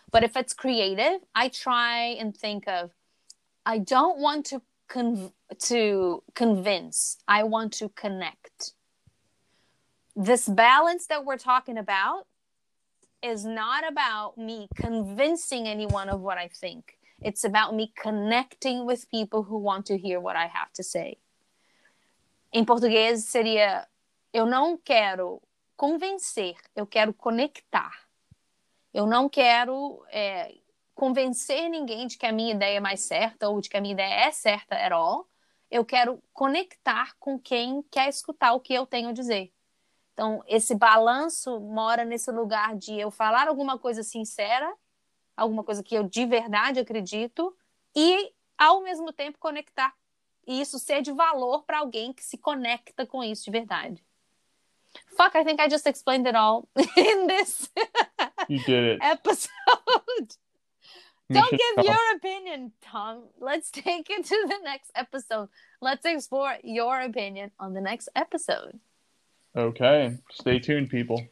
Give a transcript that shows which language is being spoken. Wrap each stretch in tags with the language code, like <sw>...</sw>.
<en>But if it's creative, I try and think of, I don't want to convince. I want to connect. This balance that we're talking about is not about me convincing anyone of what I think. It's about me connecting with people who want to hear what I have to say.</en> <pt>Em português seria, eu não quero convencer, eu quero conectar. Eu não quero convencer ninguém de que a minha ideia é mais certa ou de que a minha ideia é certa</pt> <en>at all.</en> <pt>Eu quero conectar com quem quer escutar o que eu tenho a dizer. Então, esse balanço mora nesse lugar de eu falar alguma coisa sincera, alguma coisa que eu de verdade acredito, e ao mesmo tempo conectar e isso ser de valor para alguém que se conecta com isso de verdade.</pt> <en>Fuck, I think I just explained it all in this episode. Don't give your opinion, Tom. Let's take it to the next episode. Let's explore your opinion on the next episode. Okay. Stay tuned, people.</en>